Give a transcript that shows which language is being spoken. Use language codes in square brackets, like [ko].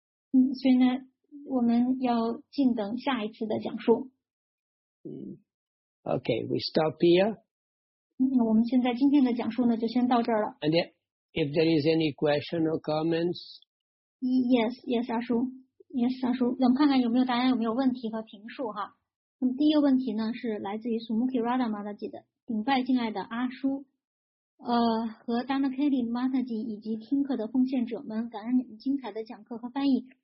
[zh] 所以呢我们要静等下一次的讲述。 [en] Okay, we stop here. [zh] 嗯，我们现在今天的讲述呢，就先到这儿了。 [en] And if there is any question or comments. Yes, 阿叔。Yes, 阿叔。 [zh] 我们看看有没有大家有没有问题和评述哈。那么第一个问题呢，是来自于 Sumuki Rada Mataji 的顶拜敬爱的阿叔。和 Dana Kelly Mataji 以及听课的奉献者们，感恩你们精彩的讲课和翻译。